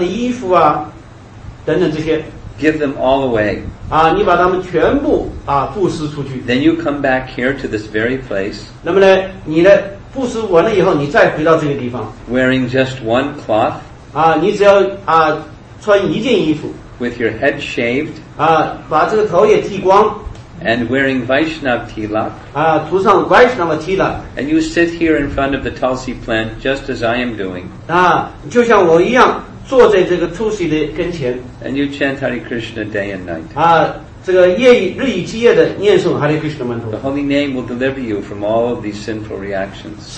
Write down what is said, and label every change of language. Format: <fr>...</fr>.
<zh>那么呢，从你的职业，你赚的所有的那些珠宝啊，漂亮的衣服啊，等等这些。</zh> <en>Give them all away.</en> <zh>你把他们全部布施出去。</zh> <en>Then you come back here to this very place.</en> <zh>那么呢，你呢？布施完了以后，你再回到这个地方。</zh> <en>Wearing just one cloth.</en> <zh>你只要穿一件衣服。</zh> <en>With your head shaved.</en> <zh>把这个头也剃光。</zh> <en>And wearing Vaishnava tilak.</en> <zh>涂上 Vaishnava tilak.</zh> <en>And you sit here in front of the tulsi plant just as I am doing.</en> <zh>就像我一样坐在这个 tulsi 的跟前。</zh> <en>And you chant Hare Krishna day and night.</en> <zh>这个日以继夜的念诵哈利·克里斯那曼陀。</zh> <en>The holy name will deliver you from all of these sinful reactions.</en>